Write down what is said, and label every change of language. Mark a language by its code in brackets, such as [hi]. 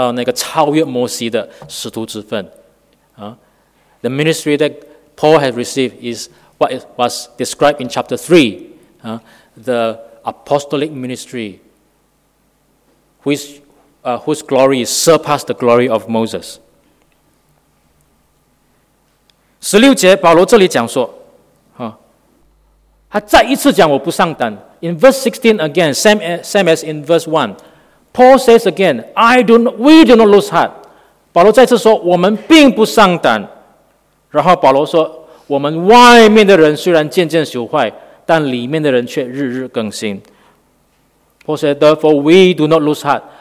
[zh] 就是第三章里面讲到那个超越摩西的使徒之分, [en] The ministry that Paul has received is what was described in chapter 3, the apostolic ministry, whose glory surpassed the glory of Moses. [zh] 16节保罗这里讲说, 他再一次讲我不上胆, [en] in verse 16 again, same as in verse 1, Paul says again, we do not lose heart. [zh] 保罗再次说, 我们并不上胆, 然后保罗说, 我们外面的人虽然渐渐朽坏, 但里面的人却日日更新。 [en] Paul said, therefore, we do not lose heart.